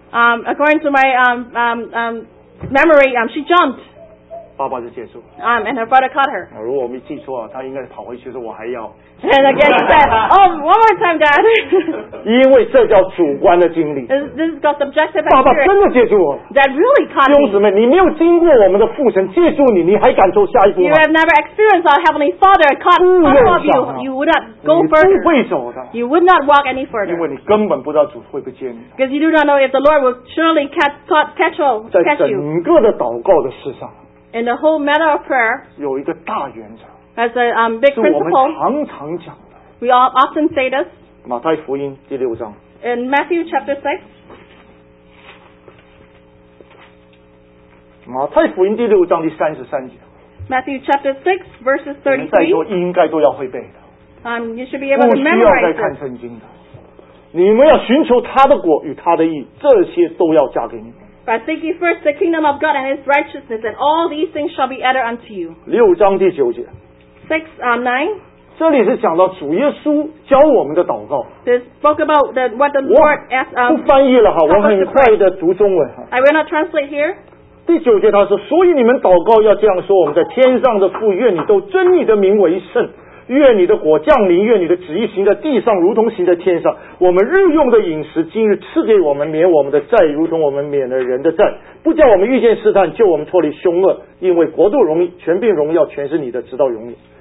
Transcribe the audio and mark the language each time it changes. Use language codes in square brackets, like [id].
[en] According to my memory, she jumped. [zh] 爸爸就结束. [en] And her brother caught her. [zh] 如果我没记错, 她应该跑回去说我还要. [en] And again, he said, oh, one more time, Dad. [zh] 因为这叫主观的经历. [en] This is called subjective experience. [zh] 爸爸真的接住我. [en] Dad really caught me. [zh] 兄弟们, 你没有经过我们的父神, 接住你, 你还敢做下一步吗? [en] You have never experienced our Heavenly Father caught all of you. You would not go further. You would not walk any further. [zh] 因为你根本不知道主会不接你. [en] Because you do not know if the Lord will surely catch you. [zh] 在整个的祷告的事上, [en] in the whole matter of prayer, [zh] 有一个大原则, [en] as a big principle, [zh] 是我们常常讲的, [en] we all often say this. [zh] 马太福音第六章, [en] in Matthew chapter 6, [zh] 马太福音第六章第33节, [en] Matthew chapter 6, verses 33, [zh] 应该都要会背的, [en] you should be able to memorize it. [zh] 不需要再看圣经的, 你们要寻求他的国与他的义, 这些都要加给你, [en] but seek ye first the kingdom of God and his righteousness, and all these things shall be added unto you. [zh] 六章第九节, [en] 6, 9, [zh] 这里是讲到主耶稣教我们的祷告, [en] this spoke about the, what the Lord asked. [zh] 不翻译了, 我很快地读中文, [en] I will not translate here. [zh] 第九节他说, 所以你们祷告要这样说, 我们在天上的父, 愿你都尊你的名为圣, 愿你的国降临, 愿你的旨意行在地上如同行在天上, 我们日用的饮食, 今日赐给我们, 免我们的债, 如同我们免了人的债, 不叫我们遇见试探, 救我们脱离凶恶, 因为国度容易, 权柄荣耀, 全是你的, 直到永远。